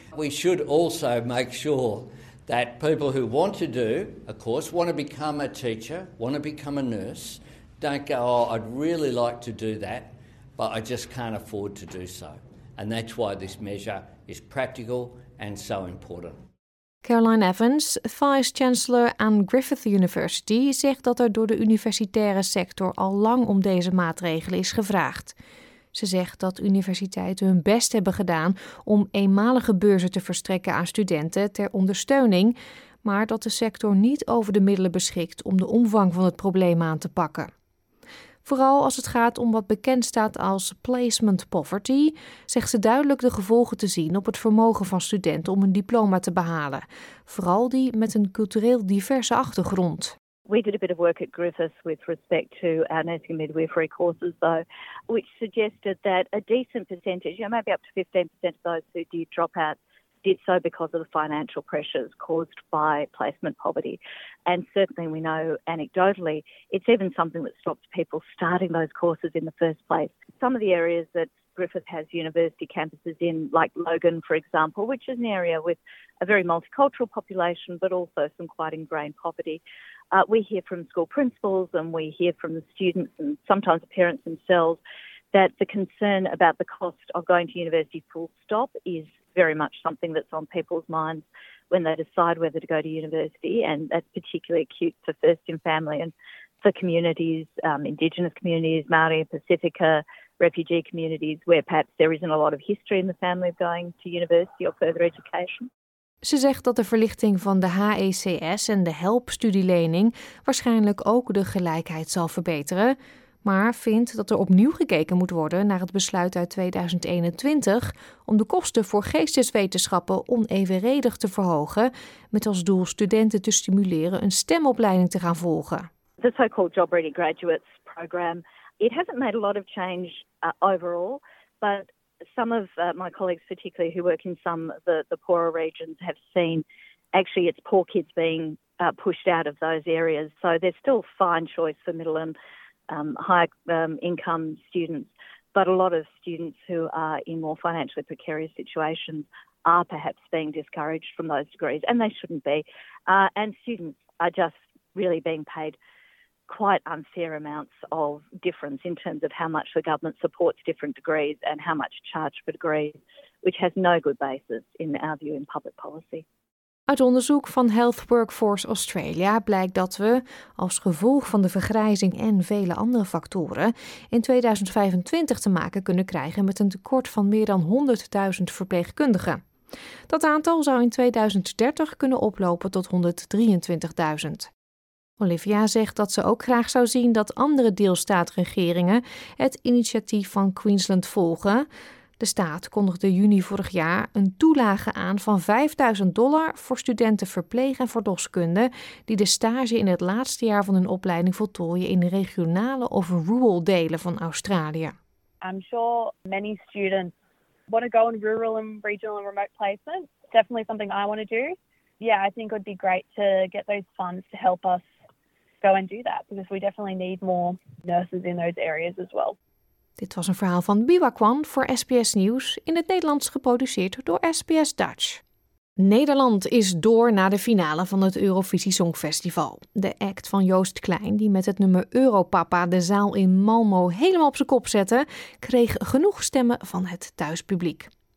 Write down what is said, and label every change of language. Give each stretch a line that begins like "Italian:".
English: We should also make sure that people who want to do a course, want to become a teacher, want to become a nurse, don't go, oh, I'd really like to do that, but but I just can't afford to do so. And that's why this measure is practical and so important.
Dutch: Caroline Evans, Vice-Chancellor aan Griffith University, zegt dat er door de universitaire sector al lang om deze maatregelen is gevraagd. Ze zegt dat universiteiten hun best hebben gedaan om eenmalige beurzen te verstrekken aan studenten ter ondersteuning, maar dat de sector niet over de middelen beschikt om de omvang van het probleem aan te pakken. Vooral als het gaat om wat bekend staat als placement poverty, zegt ze duidelijk de gevolgen te zien op het vermogen van studenten om een diploma te behalen. Vooral die met een cultureel diverse achtergrond.
English: We did a bit of work at Griffith with respect to our nursing midwifery courses, though, which suggested that a decent percentage, you know, maybe up to 15% of those who did drop out, did so because of the financial pressures caused by placement poverty. And certainly we know anecdotally, it's even something that stops people starting those courses in the first place. Some of the areas that Griffith has university campuses in, like Logan, for example, which is an area with a very multicultural population, but also some quite ingrained poverty. We hear from school principals and we hear from the students and sometimes the parents themselves that the concern about the cost of going to university full stop is very much something that's on people's minds when they decide whether to go to university, and that's particularly acute for first in family and for communities, Indigenous communities, Maori, Pacifica, refugee communities, where perhaps there isn't a lot of history in the family of going to university or further education.
Dutch: Ze zegt dat de verlichting van de HECS en de HELP-studielening waarschijnlijk ook de gelijkheid zal verbeteren, maar vindt dat er opnieuw gekeken moet worden naar het besluit uit 2021 om de kosten voor geesteswetenschappen onevenredig te verhogen, met als doel studenten te stimuleren een stemopleiding te gaan volgen.
English: The so-called Job Ready Graduates program, it hasn't made a lot of change overall, but some of my colleagues, particularly who work in some of the poorer regions, have seen actually it's poor kids being pushed out of those areas. So there's still fine choice for middle and high income students. But a lot of students who are in more financially precarious situations are perhaps being discouraged from those degrees, and they shouldn't be. And students are just really being paid quite unfair amounts of difference in terms of how much the government supports different degrees and how much charge per degree, which has no good basis in our view in public policy.
Dutch: Uit onderzoek van Health Workforce Australia blijkt dat we, als gevolg van de vergrijzing en vele andere factoren, in 2025 te maken kunnen krijgen met een tekort van meer dan 100.000 verpleegkundigen. Dat aantal zou in 2030 kunnen oplopen tot 123.000. Olivia zegt dat ze ook graag zou zien dat andere deelstaatregeringen het initiatief van Queensland volgen. De staat kondigde juni vorig jaar een toelage aan van $5,000 voor studenten verpleeg en verloskunde die de stage in het laatste jaar van hun opleiding voltooien in regionale of rural delen van Australië.
English: I'm sure many students want to go in rural and regional and remote places. Definitely something I want to do. Yeah, I think it would be great to get those funds to help us go and do that, because we definitely need more nurses in those areas as well.
Dutch: Dit was een verhaal van Biwa Kwan voor SBS Nieuws, in het Nederlands geproduceerd door SBS Dutch. Nederland is door naar de finale van het Eurovisie Songfestival. De act van Joost Klein, die met het nummer Europapa de zaal in Malmö helemaal op zijn kop zette, kreeg genoeg stemmen van het thuispubliek.